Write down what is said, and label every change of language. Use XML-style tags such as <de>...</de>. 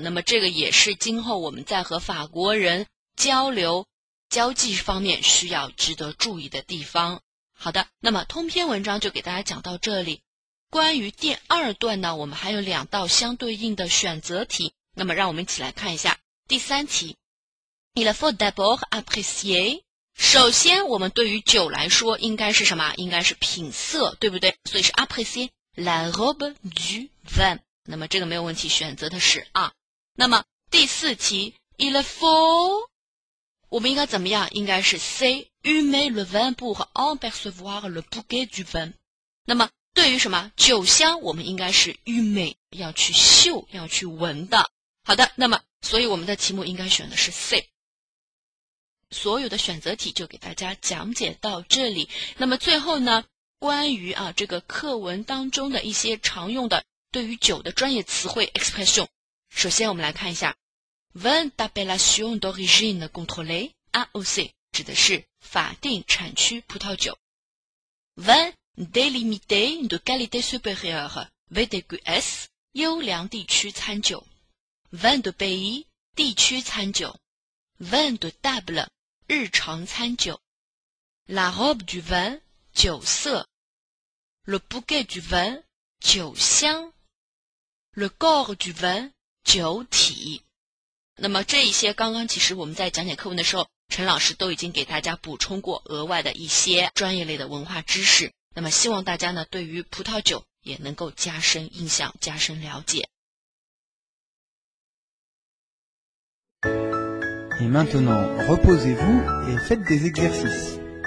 <zh>那么这个也是今后我们在和法国人交流交际方面需要值得注意的地方。好的，那么通篇文章就给大家讲到这里，关于第二段呢，我们还有两道相对应的选择题，那么让我们一起来看一下第三题。</zh> <fr>Il faut d'abord apprécier。</fr> <zh>首先，我们对于酒来说应该是什么？应该是品色，对不对？所以是</zh> <fr>apprécier la robe du vin。</fr> <zh>那么这个没有问题，选择的是啊。那么第四题 ，</zh> <fr>il faut，</fr> <zh>我们应该怎么样？应该是</zh> <fr>c humer le vin pour apercevoir le bouquet du vin。</fr> <zh>那么对于什么酒香，我们应该是 humer， 要去嗅，要去闻的。好的，那么所以我们的题目应该选的是 c。所有的选择题就给大家讲解到这里。那么最后呢，关于啊这个课文当中的一些常用的对于酒的专业词汇 expression， 首先我们来看一下</zh> <fr>vin d'appellation d'origine contrôlée</fr> <zh>AOC， 指的是法定产区葡萄酒。</zh> <fr>vin délimité de qualité supérieure VDQS</fr> <zh>优良地区餐酒。</zh> <fr>vin de pays</fr> <zh>地区餐酒。</zh> <fr>Vin de table</fr> <zh>日常餐酒。</zh> <fr>La robe du vin</fr> <zh>酒色。</zh> <fr>Le bouquet du vin</fr> <zh>酒香。</zh> <fr>Le corps du vin</fr> <zh>酒体。那么这一些刚刚其实我们在讲解课文的时候，陈老师都已经给大家补充过额外的一些专业类的文化知识，那么希望大家呢对于葡萄酒也能够加深印象，加深了解。</zh> <fr>Et maintenant, reposez-vous et faites des exercices.</fr>